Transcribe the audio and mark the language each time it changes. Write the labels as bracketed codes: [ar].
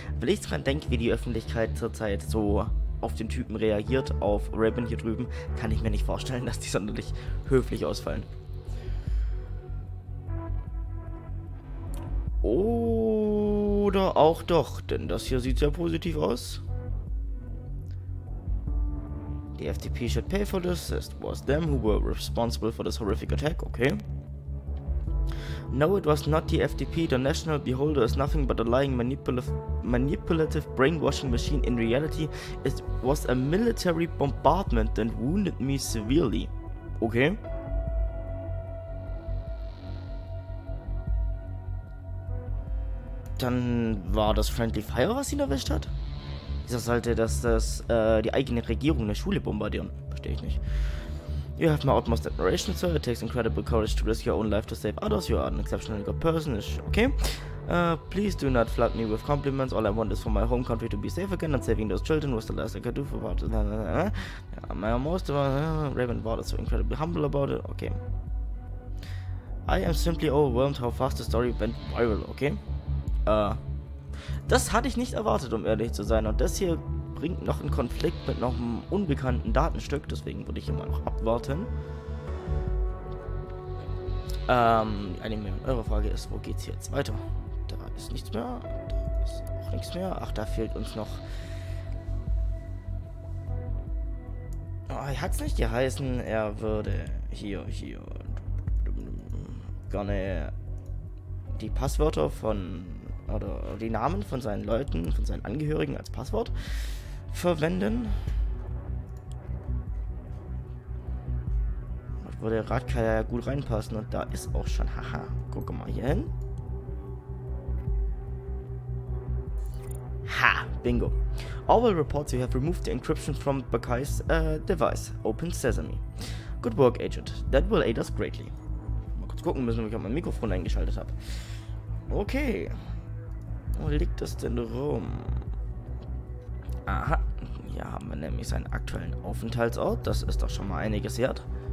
[de] Weil ich dran denke, wie die Öffentlichkeit zurzeit so auf den Typen reagiert, auf Raven hier drüben, kann ich mir nicht vorstellen, dass die sonderlich höflich ausfallen. Oder auch doch, denn das hier sieht sehr positiv aus. [en] The FTP should pay for this, it was them who were responsible for this horrific attack, okay. No, it was not the FTP, the National Beholder is nothing but a lying manipulative brainwashing machine. In reality, it was a military bombardment that wounded me severely, okay. [de] Dann war das Friendly Fire, was ihn erwischt hat? Wieso sollte das, die eigene Regierung eine Schule bombardieren? Verstehe ich nicht. [en] You have my utmost admiration, sir. It takes incredible courage to risk your own life to save others. You are an exceptionally good person. Okay. Please do not flood me with compliments. All I want is for my home country to be safe again and saving those children was the last I could do for what... My most... Raven Ward is so incredibly humble about it. Okay. I am simply overwhelmed how fast the story went viral. Okay. [de] Das hatte ich nicht erwartet, um ehrlich zu sein. Und das hier bringt noch einen Konflikt mit noch einem unbekannten Datenstück. Deswegen würde ich immer noch abwarten. Eine Million Euro Frage ist, wo geht's jetzt weiter? Da ist nichts mehr. Da ist auch nichts mehr. Ach, da fehlt uns noch... Oh, hat's nicht geheißen, er würde hier... gerne die Passwörter von... oder die Namen von seinen Leuten, von seinen Angehörigen als Passwort verwenden. Das würde Radkaya ja gut reinpassen und da ist auch schon, haha, guck mal hier hin. Ha, bingo. [en] Orwell reports you have removed the encryption from Bakai's device, Open Sesame. Good work, Agent. That will aid us greatly. [de] Mal kurz gucken müssen, ob ich mein Mikrofon eingeschaltet habe. Okay. Wo liegt das denn rum? Aha, hier haben wir nämlich seinen aktuellen Aufenthaltsort. Das ist doch schon mal einiges wert.